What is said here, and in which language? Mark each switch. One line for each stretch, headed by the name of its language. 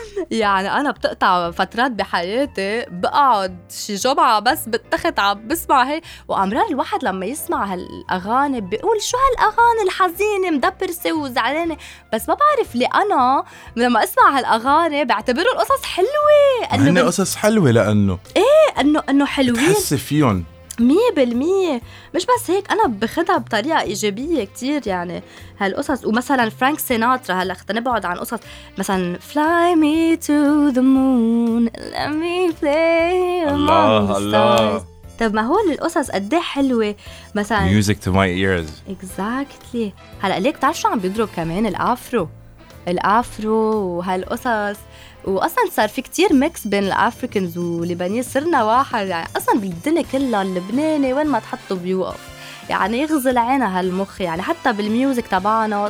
Arabic: يعني أنا بتقطع فترات بحياتي بقعد شي جمعة بس بتخت عم بسمع هي، وأمرار الواحد لما يسمع هالأغاني بيقول شو هالأغاني الحزينة مدبرسة وزعلانة، بس ما بعرف لي أنا لما أسمع هالأغاني بعتبره القصص حلوة. هن قصص حلوة لأنه إيه أنه حلوين تحس فيهم 100%. مش بس هيك، أنا بخدها بطريقة إيجابية كتير، يعني هالقصص. ومثلا فرانك سيناترا، هلا خلينا نبعد عن قصص، مثلا
English: Fly me to the moon let me play among the stars.
Arabic: طب ما هول القصص قدي حلوة، مثلا
English: Music to my ears. Exactly.
Arabic: هلا ليك تعرف شو عم بيضرب كمان؟ الأفرو وهالقصص. وأصلاً صار في كتير ميكس بين الأفريكنز واللبنانيين، صرنا واحد، يعني أصلاً بالدنيا كلها اللبناني وين ما تحطه بيوقف، يعني يغزل عينه هالمخ، يعني حتى بالميوزك تبعنا.